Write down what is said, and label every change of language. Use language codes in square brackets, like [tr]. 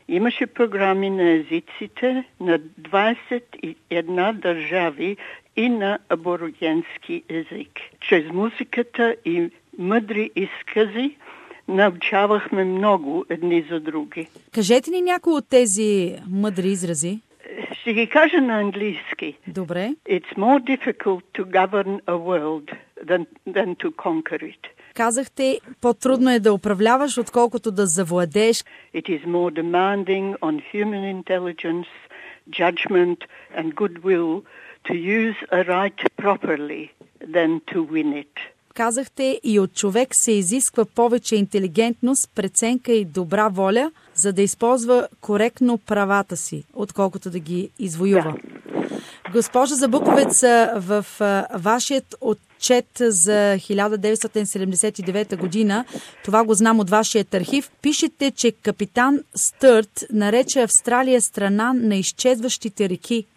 [bg] Имаше програми на езиците на 21 държави и на аборигенски език. Чрез музиката и мъдри изкази научавахме много едни за други. Кажете ни някои от тези мъдри изрази. Ще ги кажа на английски. Добре. [en] It's more difficult to govern a world than to conquer it. [bg] Казахте, по-трудно е да управляваш, отколкото да завладееш. [en] It is more demanding on human intelligence, judgment and goodwill to use a right properly than to win it. [bg] Казахте, и от човек се изисква повече интелигентност, преценка и добра воля, за да използва коректно правата си, отколкото да ги извоюва. Да. Госпожо Забуковец, в вашият отчет за 1979 година, това го знам от вашият архив, пишете, че капитан Стърт нарече Австралия страна на изчезващите реки.